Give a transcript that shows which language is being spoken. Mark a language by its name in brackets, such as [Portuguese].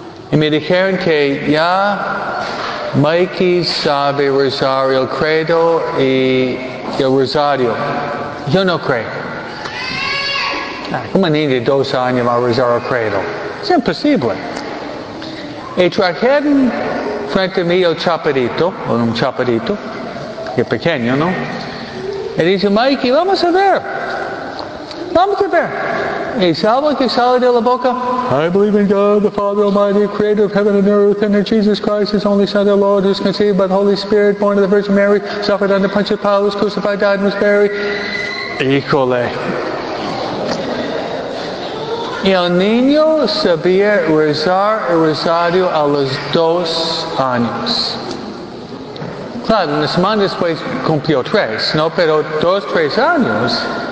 [Spanish] Y me dijeron que ya Mikey sabe rezar el credo y el rosario. Yo no creo. ¿Cómo niño de 2 años va a rezar el credo? Es imposible. Y trajeron frente a mí el chaparito, un chaparito, que es pequeño, ¿no? Y dice, Mikey, vamos a ver. Vamos a ver. Y salvo que sale de la boca, [English] I believe in God, the Father Almighty, creator of heaven and earth, and in Jesus Christ, his only Son, the Lord, who is conceived by the Holy Spirit, born of the Virgin Mary, suffered under Pontius Pilate, crucified, died, and was buried. [Spanish] Híjole. Y el niño sabía rezar el rosario a los 2 años. Claro, una semana después cumplió 3, ¿no? Pero 2-3 años.